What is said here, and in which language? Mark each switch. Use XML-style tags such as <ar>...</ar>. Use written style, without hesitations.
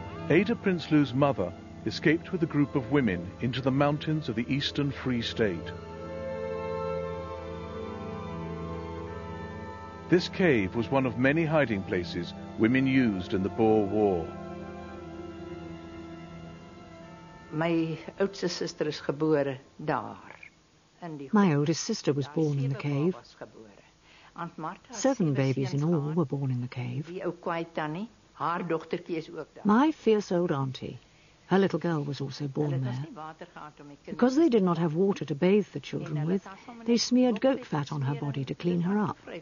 <en>Ada Prinsloo's mother escaped with a group of women into the mountains of the Eastern Free State. This cave was one of many hiding places women used in the Boer War.</en> <af>My oudste sister is gebore daar.</af> <en>My oldest sister was born in the cave. Seven babies in all were born in the cave. My fierce old auntie, her little girl, was also born there. Because they did not have water to bathe the children with, they smeared goat fat on her body to clean her up.</en>